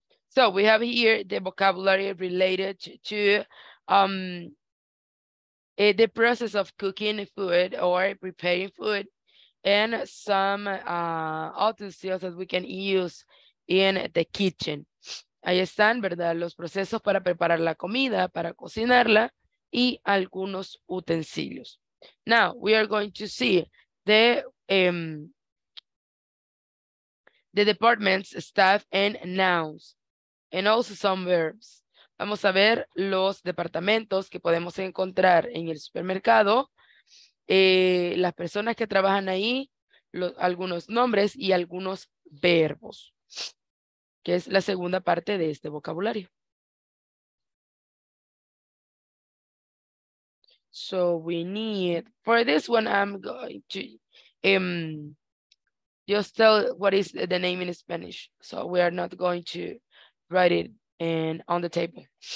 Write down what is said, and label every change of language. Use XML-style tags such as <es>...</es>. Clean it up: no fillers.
<en>So we have here the vocabulary related to the process of cooking food or preparing food, and some other skills that we can use in the kitchen.</en> <es>Ahí están, ¿verdad? Los procesos para preparar la comida, para cocinarla y algunos utensilios.</es> <en>Now, we are going to see the departments, staff, and nouns, and also some verbs.</en> <es>Vamos a ver los departamentos que podemos encontrar en el supermercado, las personas que trabajan ahí, algunos nombres y algunos verbos, que es la segunda parte de este vocabulario.</es> <en>So we need, for this one, I'm going to just tell what is the name in Spanish. So we are not going to write it and on the table.</en>